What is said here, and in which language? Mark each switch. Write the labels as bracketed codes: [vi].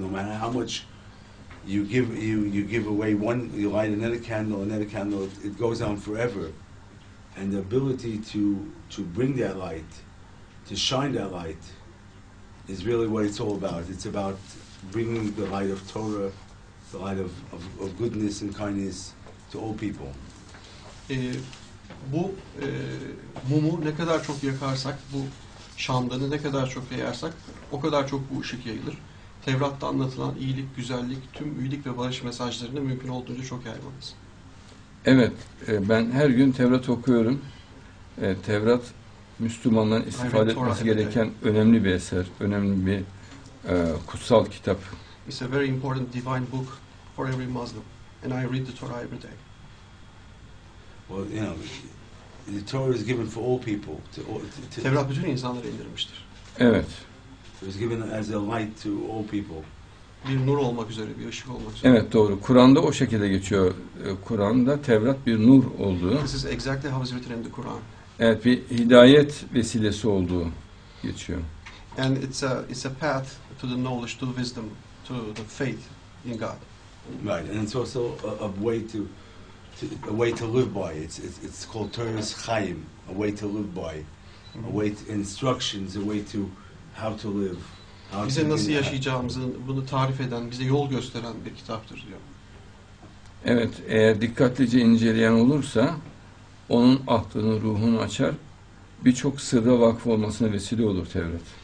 [en] No matter how much you give away one, you light another candle, it goes on forever. And the ability to bring that light, to shine that light, is really what it's all about. It's about bringing the light of Torah, the light of goodness and kindness to all people. [tr] Bu mumu ne kadar çok yakarsak, bu şamdanı ne kadar çok yayarsak, o kadar çok bu ışık yayılır. Tevrat'ta anlatılan iyilik, güzellik, tüm iyilik ve barış mesajlarını mümkün olduğunca çok yaymalıyız. Evet, ben her gün Tevrat okuyorum. Tevrat Müslümanların istifade etmesi gereken önemli bir eser, önemli bir kutsal kitap. [en] It's a very important divine book for every Muslim, and I read the Torah every day. Well, you know, the Torah is given for all people. [tr] Tevrat bütün insanlara indirilmiştir. Evet. [en] It was given as a light to all people. [tr] bir nur olmak üzere, bir ışık olmak üzere. Evet, doğru. Kur'an'da o şekilde geçiyor. Kur'an'da Tevrat bir nur olduğu. [en] This is exactly how it's written in the Quran. [tr] Evet, bir hidayet vesilesi olduğu geçiyor. [en] And it's a path to the knowledge, to wisdom, to the faith in God. Right, and it's also a way to live by. It's called Torah's Chaim, a way to live by, a way to instructions, a way to how to live. How [tr] bize nasıl yaşayacağımızı bunu tarif eden, bize yol gösteren bir kitaptır diyor. Evet, eğer dikkatlice inceleyen olursa, onun aklını, ruhunu açar, birçok sırra vakıf olmasına vesile olur Tevrat.